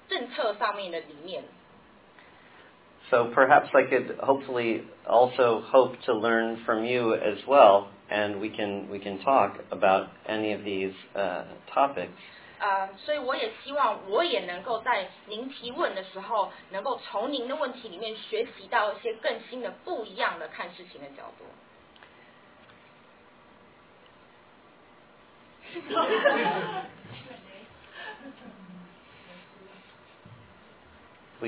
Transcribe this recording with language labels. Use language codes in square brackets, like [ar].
[zh] 因为这是一个适合这样子的讨论，去提出问题，也许一些平常比较不知道要怎么问的关于文化上面的差异，或者是政治或者是政策上面的理念。 [en] So perhaps I could hopefully also hope to learn from you as well, and we can talk about any of these topics. [zh] 所以我也希望我也能够在您提问的时候，能够从您的问题里面学习到一些更新的、不一样的看事情的角度。 [en] We